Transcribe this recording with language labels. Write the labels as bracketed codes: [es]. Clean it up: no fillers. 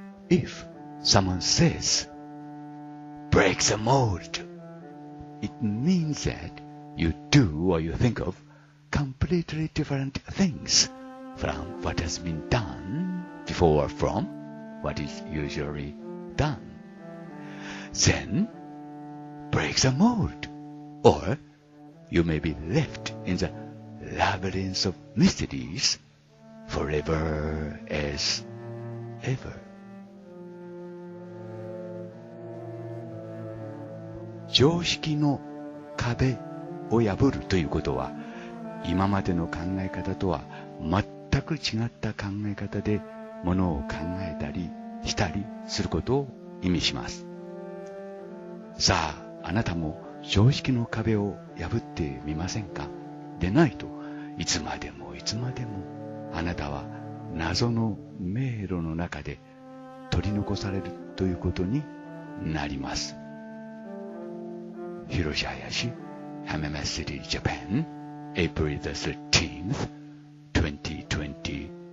[en] If someone says, break the mold, it means that you do or you think of completely different things from what has been done before or from what is usually done. Then, break the mold, or you may be left in the labyrinth of mysteries forever as ever. [ja] 常識の壁を破るということは、今までの考え方とは全く違った考え方で物を考えたりしたりすることを意味します。さあ、あなたも常識の壁を破ってみませんか？でないと、いつまでもいつまでもあなたは謎の迷路の中で取り残されるということになります。 [en] Hiroshi Hayashi, MMS City, Japan, April the 13th, 2024.